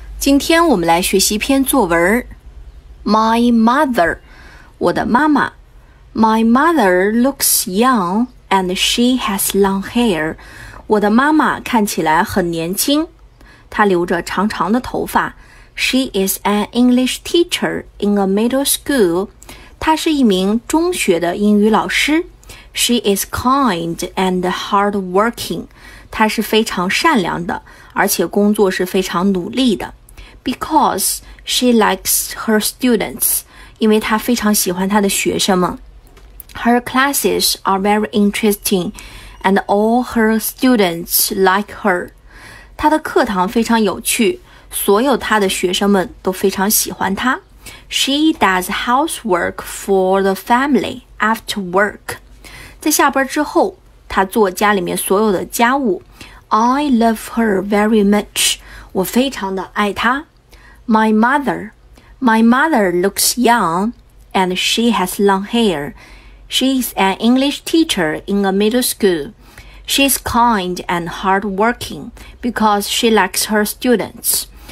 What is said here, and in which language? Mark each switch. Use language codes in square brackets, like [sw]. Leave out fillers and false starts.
[zh] 今天我们来学习一篇作文。 [en] My mother, [zh] 我的妈妈。 [en] My mother looks young and she has long hair. [zh] 我的妈妈看起来很年轻。她留着长长的头发。 [en] She is an English teacher in a middle school. [zh] 她是一名中学的英语老师。 [en] She is kind and hardworking. [zh] 她是非常善良的，而且工作是非常努力的。 [en] Because she likes her students. [zh] 因为她非常喜欢她的学生们。 [en] Her classes are very interesting, and all her students like her. [zh] 她的课堂非常有趣，所有她的学生们都非常喜欢她。 [en] She does housework for the family after work. [zh] 在下班之后，她做家里面所有的家务。 [en] I love her very much. [zh] 我非常的爱她。 [en] My mother looks young, and she has long hair. She's an English teacher in a middle school. She's kind and hardworking because she likes her students.